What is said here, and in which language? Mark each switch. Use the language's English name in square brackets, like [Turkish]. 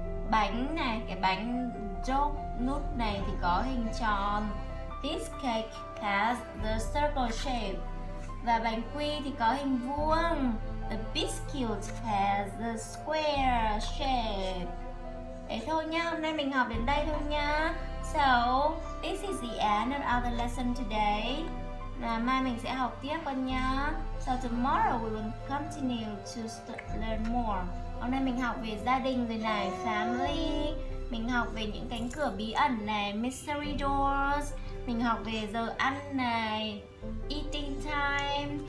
[Vietnamese] Bánh này, cái bánh donut nút này thì có hình tròn. [English] This cake has the circle shape. [Vietnamese] Và bánh quy thì có hình vuông. [English] The biscuit has the square shape. [Vietnamese] Thế thôi nhá, hôm nay mình học đến đây thôi nhá. [English] So, this is the end of our lesson today. [Vietnamese] Và mai mình sẽ học tiếp con nhá. [English] So tomorrow we will continue to learn more. [Vietnamese] Hôm nay mình học về gia đình rồi này, family. Mình học về những cánh cửa bí ẩn này, [English] mystery doors. [Vietnamese] Mình học về giờ ăn này, [English] eating time.